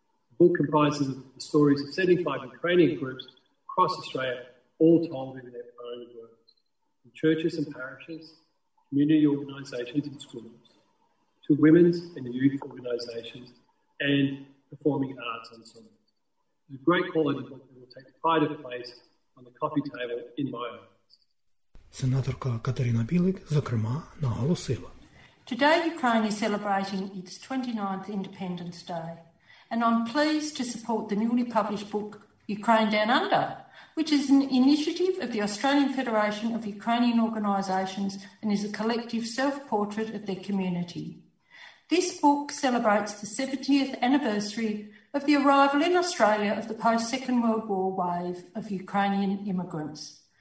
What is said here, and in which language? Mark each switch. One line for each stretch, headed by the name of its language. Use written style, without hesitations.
English: The book comprises the stories of 75 Ukrainian groups across Australia, all told in their own words, from churches and parishes, community organisations and schools, to women's and youth organisations, and performing arts ensembles. It's a great quality book that will take pride of place on the coffee table in my office.
Ukrainian: Сенаторка Катерина Білик, зокрема, наголосила.
English: Today, Ukraine is celebrating its 29th Independence Day, and I'm pleased to support the newly published book Ukraine Down Under, which is an initiative of the Australian Federation of Ukrainian Organisations and is a collective self-portrait of their community. This book celebrates the 70th anniversary of the arrival in Australia of the post-Second World War wave of Ukrainian immigrants.